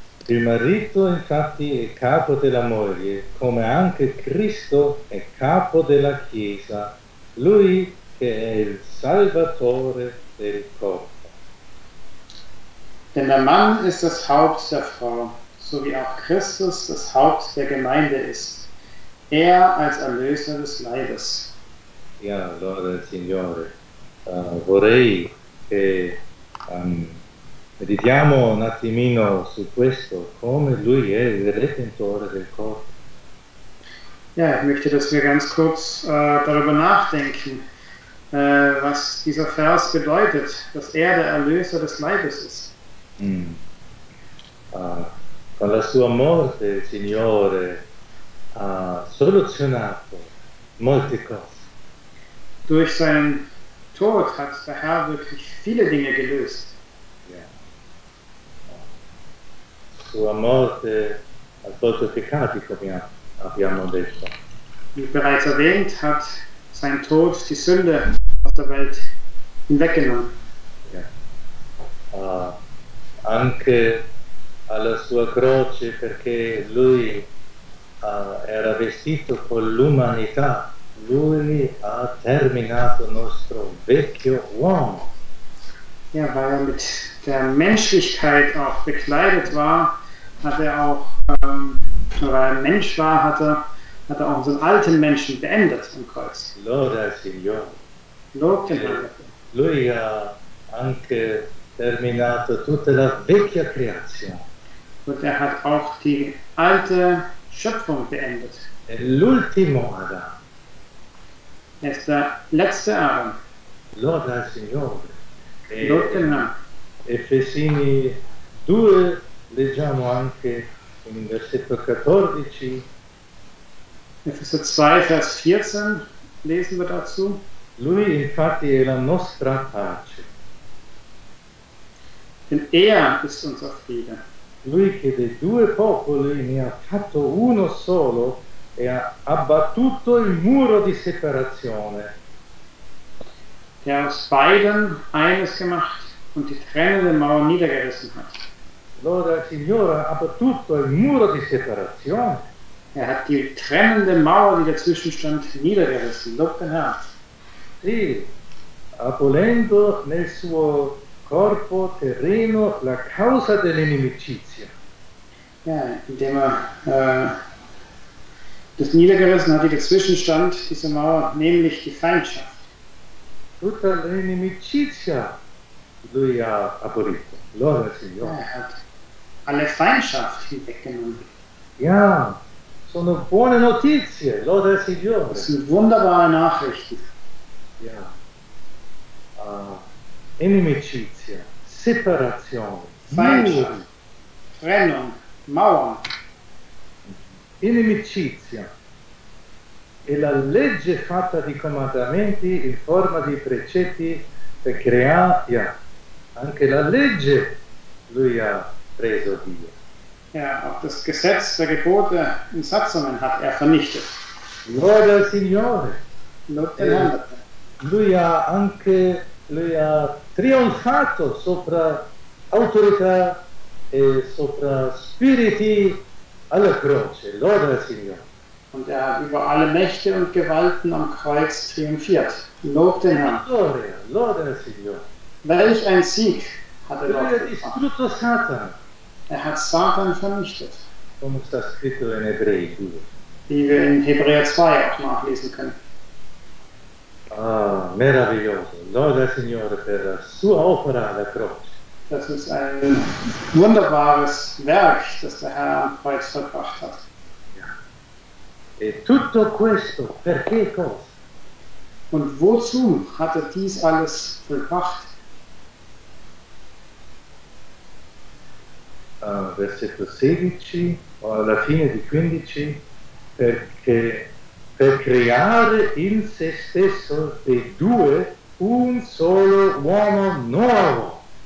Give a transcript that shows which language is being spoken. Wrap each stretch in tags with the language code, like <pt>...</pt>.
<it>Il marito infatti è capo della moglie, come anche Cristo è capo della Chiesa, lui che è il Salvatore del corpo.</it> <de>Denn der Mann ist das Haupt der Frau, so wie auch Christus das Haupt der Gemeinde ist, er als Erlöser des Leibes.</de> <it>Ja, Lorde Signore, vorrei che meditiamo un attimino su questo, come lui è il Redentore del corpo.</it> <de>Ja, ich möchte, dass wir ganz kurz darüber nachdenken, was dieser Vers bedeutet, dass er der Erlöser des Leibes ist.</de> <it>Con la sua morte il Signore ha soluzionato molte cose.</it> <de>Durch seinen Tod hat der Herr wirklich viele Dinge gelöst. Yeah.</de> <it>sua morte al posto dei peccati, come abbiamo detto.</it> <de>Wie bereits erwähnt, hat sein Tod die Sünde aus der Welt hinweggenommen.</de> <it>Anche alla sua croce, perché lui era vestito con l'umanità, lui ha terminato nostro vecchio uomo.</it> <de>Ja, weil er mit der Menschlichkeit auch bekleidet war, hat er auch, weil er Mensch war, hat er auch unseren alten Menschen beendet am Kreuz.</de> <it>Loda Signore.</it> <de>Lob den Herrn.</de> <it>Lui ha anche terminato tutta la vecchia creazione.</it> <de>Und er hat auch die alte Schöpfung beendet.</de> <it>E l'ultimo Adam.</it> <de>Er ist der letzte Adam.</de> <it>Loda Signore. Efesini 2, leggiamo anche in versetto 14.</it> <de>Epheser 2, Vers 14, lesen wir dazu.</de> <it>Lui infatti è la nostra pace.</it> <de>Denn er ist unser Friede.</de> <it>Lui che dei due popoli ne ha fatto uno solo e ha abbattuto il muro di separazione.</it> <de>Der aus beiden eines gemacht und die trennende Mauer niedergerissen hat.</de> <it>Loda Signore, aber tutto il muro di separazione.</it> <de>Er hat die trennende Mauer, die dazwischen stand, niedergerissen. Lobt den Herrn.</de> <it>Sì, abolendo nel suo corpo terreno la causa dell'inimicizia.</it> <de>Ja, indem er das niedergerissen hat, die dazwischen stand, diese Mauer, nämlich die Feindschaft.</de> <it>Tutta l'inimicizia lui ha abolito. Loda Signore.</it> <de>Er hat alle Feindschaft hinweggenommen.</de> <it>Ja, sono buone notizie. Loda Signore.</it> <de>Das sind wunderbare Nachrichten. Ja.</de> <it>Inimicizia, separazione.</it> <de>Feindschaft. Trennung. Mauer.</de> <it>Inimicizia. E la legge fatta di comandamenti in forma di precetti per creare, ja, anche la legge lui ha preso via.</it> <de>Ja, auch das Gesetz der Gebote in Satzungen hat er vernichtet.</de> <it>Loda Signore. Loda Signore. Lui ha anche, lui ha trionfato sopra autorità e sopra spiriti alla croce. Loda Signore.</it> <de>Und er hat über alle Mächte und Gewalten am Kreuz triumphiert. Lob den Herrn.</de> <it>Gloria, Loda Signore.</it> <de>Welch ein Sieg hat er dort gebracht. Er hat Satan vernichtet.</de> <it>Come sta scritto in Ebrei 2.</it> <de>Wie wir in Hebräer 2 auch nachlesen können.</de> <it>Ah, meraviglioso. Loda Signore per la sua opera alla croce.</it> <de>Das ist ein wunderbares Werk, das der Herr am Kreuz vollbracht hat.</de> <it>E tutto questo, perché cosa?</it> <de>Und wozu hat er dies alles vollbracht?</de> <it>Versetto 16, o alla fine di 15, perché per creare in se stesso dei due un solo uomo nuovo.</it>